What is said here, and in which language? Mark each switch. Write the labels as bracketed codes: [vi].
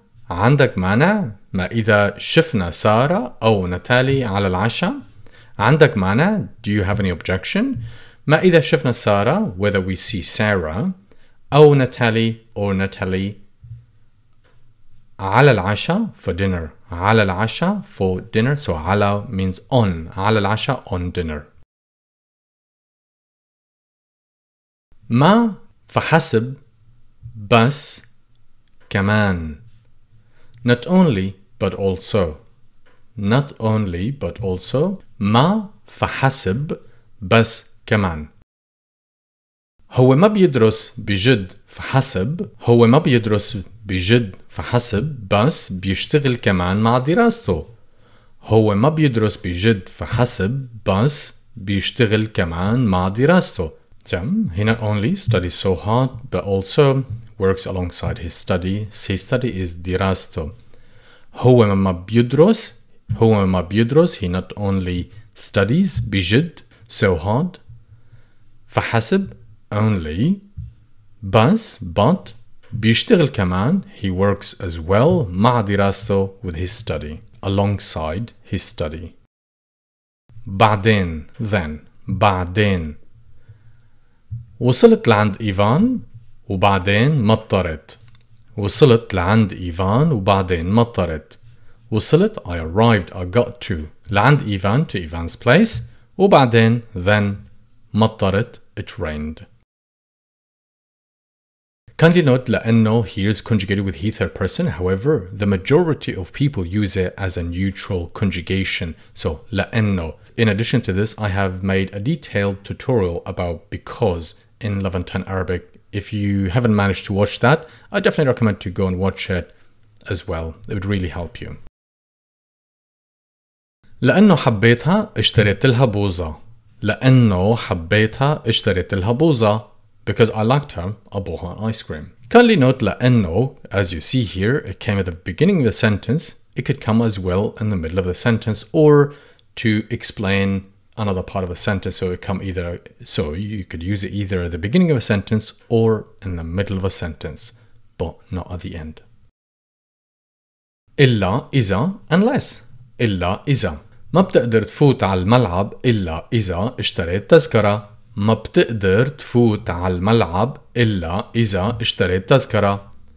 [ar] عندك مانع ما إذا شفنا سارة أو نتالي على العشاء. عندك مانع [en] do you have any objection [ar] ما إذا شفنا سارة [en] whether we see Sarah أو Natalie or Natalie [ar] على العشاء [en] for dinner. [ar] على العشاء [en] for dinner. So على means on. [ar] على العشاء [en] on dinner. [ar] ما فحسب بس كمان. [en] Not only but also. Not only but also. [ar] ما فحسب بس كمان. هو ما بيدرس بجد فحسب. هو ما بيدرس بجد فحسب بس بيشتغل كمان مع دراسته. هو ما بيدرس بجد فحسب بس بيشتغل كمان مع دراسته. [en] Sam, he not only studies so hard, but also works alongside his study. His study is dirasto. [ar] Huwa ma biudros, [en] he not only studies, bijud, so hard, fahasib, only, but, bishtigil kaman, he works as well, ma dirasto, with his study, alongside his study. [ar] Ba'din. وصلت لعند إيفان وبعدين مطرت. وصلت لعند إيفان وبعدين مطرت. [en] وصلت, I arrived, I got to. [ar] لعند إيفان, [en] to Ivan's place. وبعدين, then, مطرت, it rained. Kindly note, لأنه here is conjugated with he, third person. However, the majority of people use it as a neutral conjugation. So, لأنه. In addition to this, I have made a detailed tutorial about because in Levantine Arabic. If you haven't managed to watch that, I definitely recommend to go and watch it as well. It would really help you. [ar] لأنه حبيتها اشتريت لها بوزة. لأنه حبيتها اشتريت لها بوزة. [en] Because I liked her, I bought her ice cream. Kindly note لأنه, as you see here, it came at the beginning of the sentence. It could come as well in the middle of the sentence or to explain another part of the sentence, so you could use it either at the beginning of a sentence or in the middle of a sentence, but not at the end. [ar] إلا إذا, unless. إلا إذا. ما بتقدر تفوت على الملعب إلا إذا اشتريت تذكرة. ما بتقدر تفوت على الملعب إلا إذا اشتريت تذكرة.